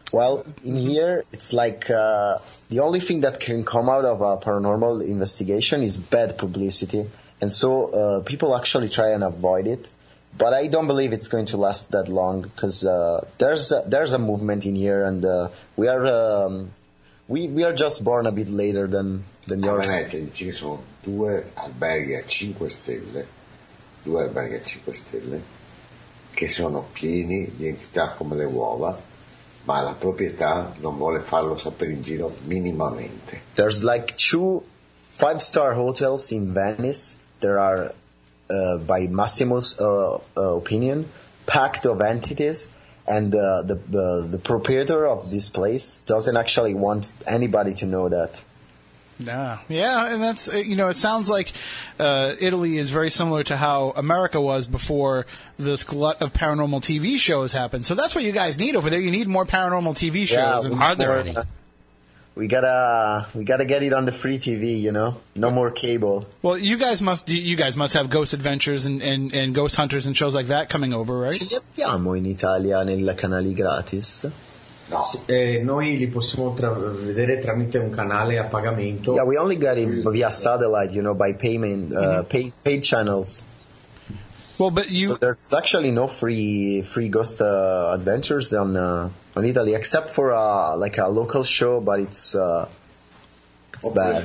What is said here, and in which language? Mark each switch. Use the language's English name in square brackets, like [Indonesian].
[English] Well, in here, it's like the only thing that can come out of a paranormal investigation is bad publicity. And so people actually try and avoid it. But I don't believe it's going to last that long because there's a movement in here and we are just born a bit later than... [Italian] A Venezia dice che sono due alberghi a 5 stelle, che sono pieni di entità come le uova, ma la proprietà non vuole farlo sapere in giro minimamente. [English] There's like 2 5-star hotels in Venice that are, by Massimo's opinion, packed of entities, And the proprietor of this place doesn't actually want anybody to know that. Yeah, and that's, you know, it sounds like Italy is very similar to how America was before this glut of paranormal TV shows happened. So that's what you guys need over there. You need more paranormal TV shows. Yeah, are there any? We gotta get it on the free TV, you know? No more cable. Well, you guys must have Ghost Adventures and Ghost Hunters and shows like that coming over, right? [Italian] Ce li abbiamo in Italia nella canali gratis. No. Noi li possiamo vedere tramite un canale a pagamento. [English] Yeah, we only got it via satellite, you know, by payment, paid channels. Well, but you... So there's actually no free Ghost Adventures on Italy, except for like a local show, but it's bad.